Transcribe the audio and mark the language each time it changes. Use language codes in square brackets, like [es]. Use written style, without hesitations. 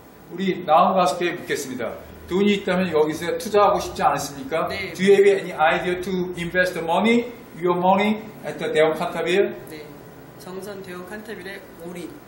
[ko] 우리 나은 가수께 묻겠습니다. 돈이 있다면 여기서 투자하고 싶지 않습니까? 네, [en] Do you have any idea to invest the money, your money at the 대형 칸타빌? [ko] 네, 정선 대형 칸타빌의 올인.